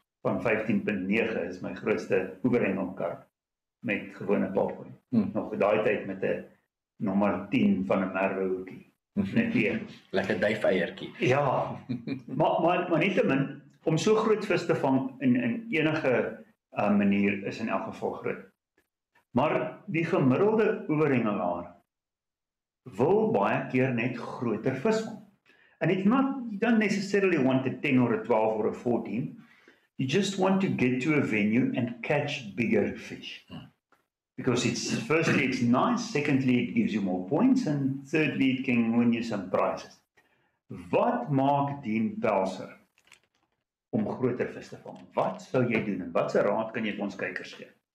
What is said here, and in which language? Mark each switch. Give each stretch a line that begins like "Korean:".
Afrikaans: Van 15.9 is my grootste oeverhengel karp met gewone papgoed. Nog daai tyd met 'n nommer 10 van 'n merwe hoekie. Like 'n duifeiertjie. Ja, maar nie te min, om so groot vis te vang in enige manier is in elk geval groot. Maar die gemiddelde oeverhengelaar wil baie keer net groter vis vang.
English: And it's not, you don't necessarily want a 10 or a 12 or a 14. You just want to get to a venue and catch bigger fish. Because it's nice, secondly it gives you more points, and thirdly it can win you some prizes.
Afrikaans: Wat maak Dean Pelser om groter vis te vang? Wat sou jy doen en watse raad kan jy ons kykers gee?